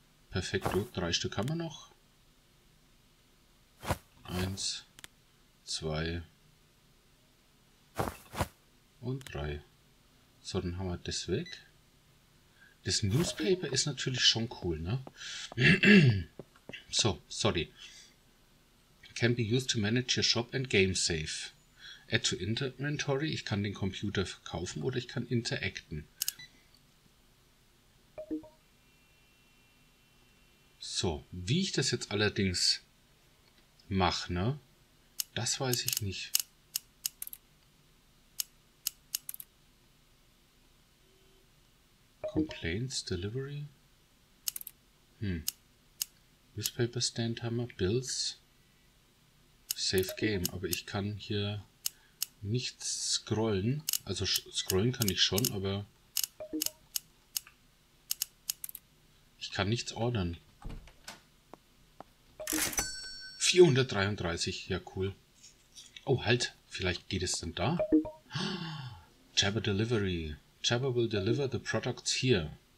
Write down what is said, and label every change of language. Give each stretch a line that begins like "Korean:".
German: Perfekt, drei Stück haben wir noch. Eins, zwei und drei. So, dann haben wir das weg. Das Newspaper ist natürlich schon cool, ne? So, sorry.
English: Can be used to manage your shop and game safe. Add to inventory.
German: Ich kann den Computer verkaufen oder ich kann interacten. So, wie ich das jetzt allerdings mache, ne? Das weiß ich nicht.
English: Complaints, Delivery. Newspaper Stand Hammer, Bills. Save Game.
German: Aber ich kann hier nicht scrollen. Also scrollen kann ich schon, aber ich kann nichts ordern. 433, ja cool. Oh, halt, vielleicht geht es dann da.
English: Jabber Delivery. Jabber will deliver the products here.